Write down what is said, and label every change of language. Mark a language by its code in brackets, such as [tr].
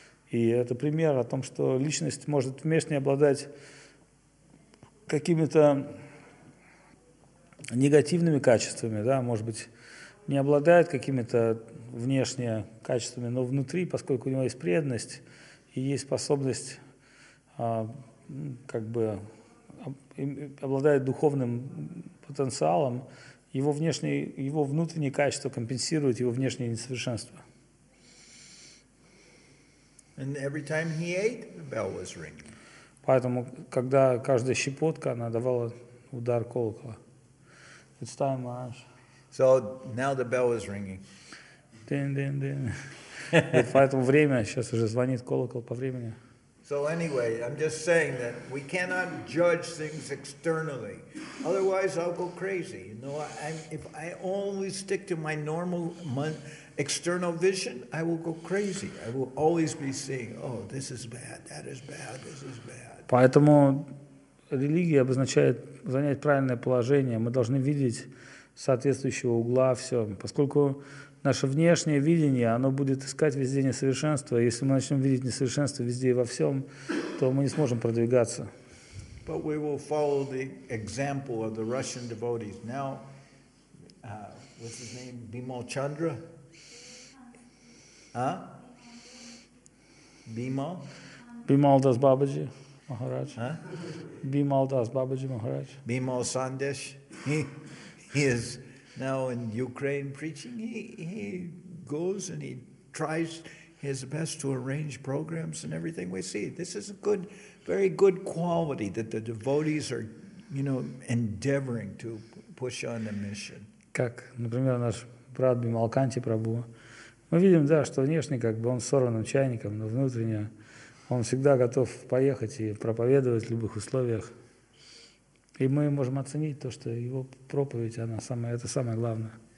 [ru] И это пример о том, что личность может внешне обладать какими-то негативными качествами, да, может быть, не обладает какими-то внешними качествами, но внутри, поскольку у него есть преданность и есть способность, как бы обладает духовным потенциалом, его внутренние качества компенсируют его внешнее несовершенство. [en] And every time he ate, the bell was ringing. [ru] Поэтому, когда каждая щепотка, она давала удар колокола. Представим, Маш. [en] So now the bell is ringing. Ding. [ru] Поэтому время сейчас уже звонит колокол по времени. [en] So anyway, I'm just saying that we cannot judge things externally. Otherwise, I'll go crazy. You know, if I only stick to my normal external vision, I will go crazy. I will always be seeing, oh, this is bad, that is bad, this is bad. [ru] Поэтому религия обозначает занять правильное положение. Мы должны видеть соответствующего угла, все. Поскольку наше внешнее видение, оно будет искать везде несовершенство. Если мы начнем видеть несовершенство везде и во всем, то мы не сможем продвигаться. [en] But we will follow the example of the Russian devotees. Now, what's his name? Bimal Chandra? Huh? Bimal? Bimal Das Babaji Maharaj. Huh? Bimal Das Babaji Maharaj. Bimal Sandesh. He is now in Ukraine preaching. He goes and he tries. He has the best to arrange programs and everything. We see this is a good, very good quality that the devotees are, you know, endeavoring to push on the mission. [ru] Как, например, наш брат Бималканти Прабху. Мы видим, да, что внешне как бы он сорванным чайником, но внутренне он всегда готов поехать и проповедовать в любых условиях. И мы можем оценить то, что его проповедь, она самая, это самое главное.